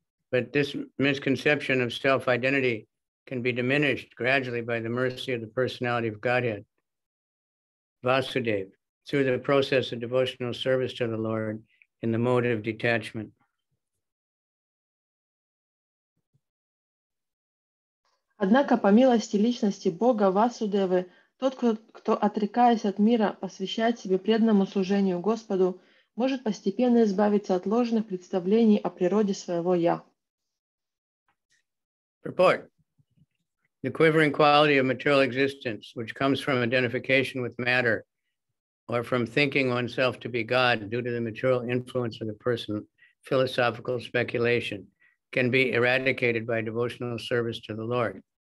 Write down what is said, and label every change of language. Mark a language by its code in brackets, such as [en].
[en] But this misconception of self-identity can be diminished gradually by the mercy of the personality of Godhead, Vasudev, through the process of devotional service to the Lord in the mode of detachment. [ru] Однако, по милости личности Бога Васудевы, тот, кто, отрекаясь от мира, посвящает себе преданному служению Господу, может постепенно избавиться от ложных представлений о природе своего «я». [en] Purport. The quivering quality of material existence, which comes from identification with matter, or from thinking oneself to be God due to the material influence of the person, philosophical speculation, can be eradicated by devotional service to the Lord.